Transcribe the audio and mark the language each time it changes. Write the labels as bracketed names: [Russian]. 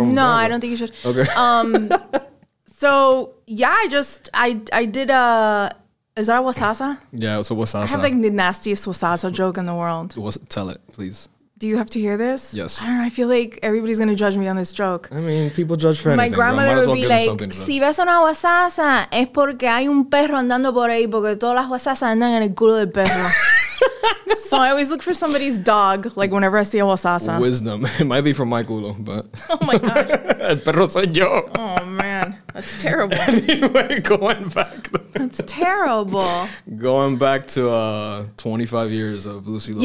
[English] No, I don't think you should. Okay. So yeah, I did a. Is that a wasasa? Yeah, it's a wasasa. I have like the nastiest wasasa joke in the world. Tell it, please. Do you have to hear this? Yes. I don't know. I feel like everybody's gonna judge me on this joke. I mean, people judge for my anything. My grandmother would be like, [Spanish] "Si ves una wasasa, es porque hay un perro andando por ahí, porque todas las wasasas andan en el culo del perro." [English] So I always look for somebody's dog, like whenever I see a wasasa. Wisdom. It might be from my culo, but. Oh my God. [Spanish] El perro soy yo. [English] Oh man. That's terrible. Anyway, going back. That's terrible. Going back to 25 years of Lucy Lopez.